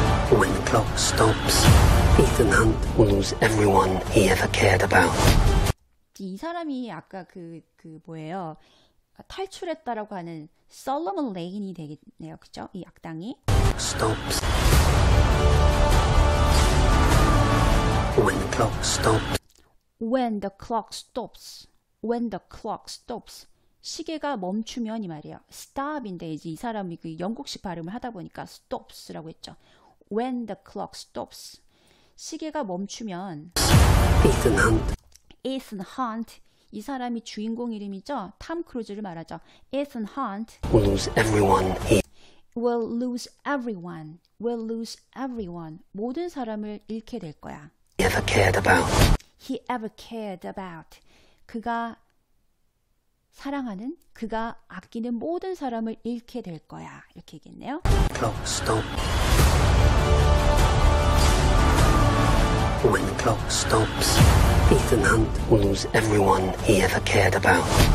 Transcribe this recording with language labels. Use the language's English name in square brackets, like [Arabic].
[English] When the clock stops, Ethan Hunt will lose everyone he ever cared about. [Korean] 이 사람이 아까 그 뭐예요? 탈출했다라고 하는 Solomon Lane이 되겠네요. 그죠? 이 악당이. [English] Stops. When the clock stops. When the clock stops. When the clock stops. [Korean] 시계가 멈추면 이 말이에요. Stop인데 이제 이 사람이 그 영국식 발음을 하다 보니까 stops라고 했죠. [English] When the clock stops. [Korean] 시계가 멈추면 [English] Ethan Hunt. Ethan Hunt. [Korean] 이 사람이 주인공 이름이죠. 탐 크루즈를 말하죠. Ethan Hunt [English] will lose everyone. Will lose everyone. Will lose everyone. [Korean] 모든 사람을 잃게 될 거야. [English] Ever cared about. He ever cared about. [Korean] 그가 사랑하는, 그가 아끼는 모든 사람을 잃게 될 거야. 이렇게 얘기했네요. [English] Clock stop. When the clock stops, Ethan Hunt will lose everyone he ever cared about.